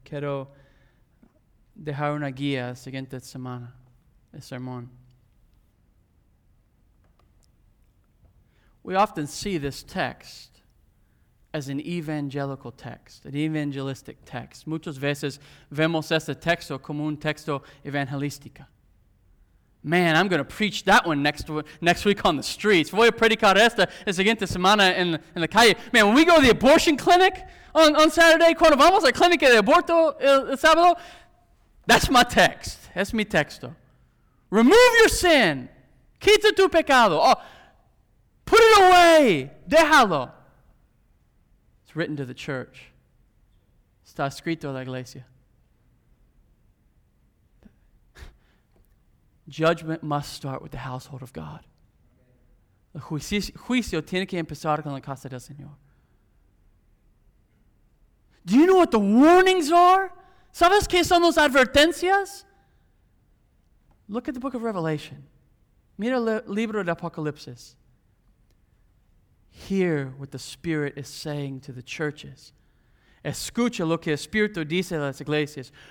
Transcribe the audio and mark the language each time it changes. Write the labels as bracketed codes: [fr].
[es] Quiero dejar una guía la siguiente semana, el sermón. [en] We often see this text as an evangelical text, an evangelistic text. [es] Muchas veces vemos este texto como un texto evangelístico. [en] Man, I'm going to preach that one next week on the streets. [es] Voy a predicar esta la siguiente semana en la calle. [en] Man, when we go to the abortion clinic on Saturday, [es] cuando vamos a la clínica de aborto el sábado, [en] that's my text. [es] Es mi texto. [en] Remove your sin. [es] Quita tu pecado. [en] Oh, put it away. Déjalo. It's written to the church. [es] Está escrito a la iglesia. [en] Judgment must start with the household of God. [es] El juicio tiene que empezar con la casa del Señor. [en] Do you know what the warnings are? [es] ¿Sabes qué son las advertencias? [en] Look at the book of Revelation. [es] Mira el libro de Apocalipsis. [en] Hear what the Spirit is saying to the churches. [es] Escucha lo que el Espíritu dice a las iglesias.